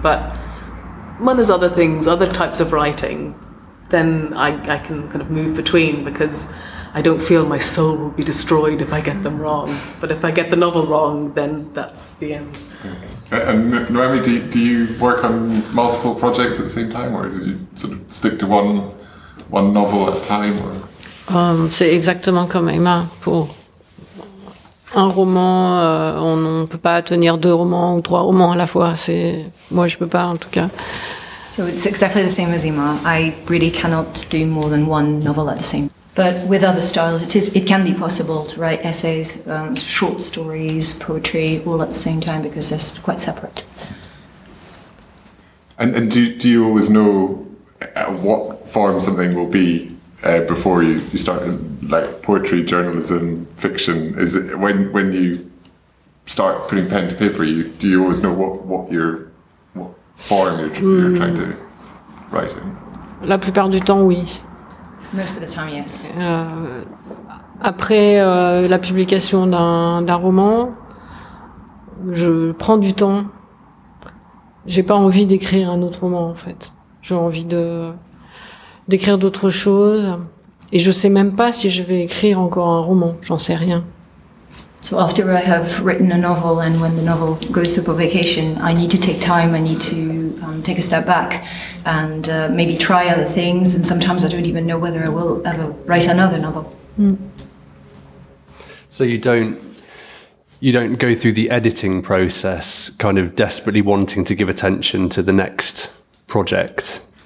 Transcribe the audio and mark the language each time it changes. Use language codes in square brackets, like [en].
[en] But when there's other things, other types of writing, then I can kind of move between, because I don't feel my soul will be destroyed if I get them wrong. But if I get the novel wrong, then that's the end. Okay. And Noemi, do you work on multiple projects at the same time, or do you sort of stick to one novel at a time? [fr] C'est exactement comme Emma. Pour un roman, on ne peut pas tenir deux romans ou trois romans à la fois. Moi, je ne peux pas, en tout cas. [en] So it's exactly the same as Emma. I really cannot do more than one novel at the same time. But with other styles, it can be possible to write essays, short stories, poetry, all at the same time, because they're quite separate. And do you always know what form something will be before you start, like poetry, journalism, fiction? Is it when you start putting pen to paper, do you always know what form you're trying to write in? [fr] La plupart du temps, oui. [en] Most of the time, yes. [fr] Après la publication d'un roman, je prends du temps. J'ai pas envie d'écrire un autre roman, en fait. J'ai envie d'écrire d'autres choses. Et je sais même pas si je vais écrire encore un roman. J'en sais rien. [en] So after I have written a novel, and when the novel goes to publication, I need to take time, I need to take a step back and maybe try other things, and sometimes I don't even know whether I will ever write another novel. So you don't go through the editing process kind of desperately wanting to give attention to the next project?